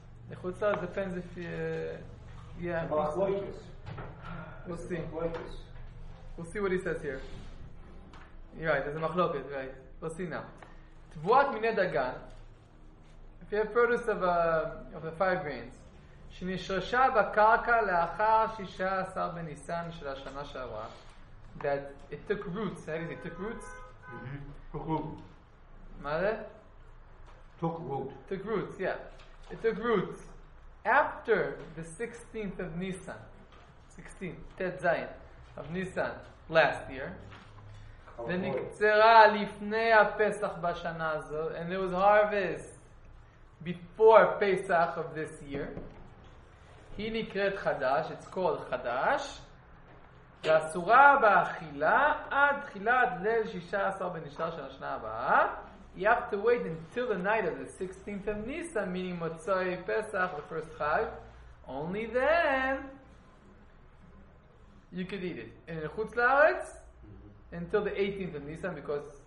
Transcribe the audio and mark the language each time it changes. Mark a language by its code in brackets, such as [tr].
[en] Nechutzlos depends if yeah. Machloikis. We'll see. Machloikis. We'll see what he says here. You're right. There's a machloket, right? We'll see now. Tvuat mine dagan. If you have produce of the five grains. [he] שנשרשה בקרקע לאחר 16 בניסן של השנה שעברה. [en] That it took roots. How is it? It took roots? Took root. [he] מה זה? [en] Took root. Took roots, yeah. It took roots. After the 16th of Nisan. 16th, Tet Zayin of Nisan. Last year. [he] ונקצרה לפני הפסח בשנה הזו. [en] And there was harvest before Pesach of this year. [he] היא נקראת חדש, [en] it's called [he] חדש, ואסורה באכילה עד תחילת ליל 16 בנשאר של השנה הבאה. [en] You have to wait until the night of the 16th of Nisan, meaning מוצאי פסח, the first חג. Only then you could eat it. And in חוץ לארץ, until the 18th of Nisan, because...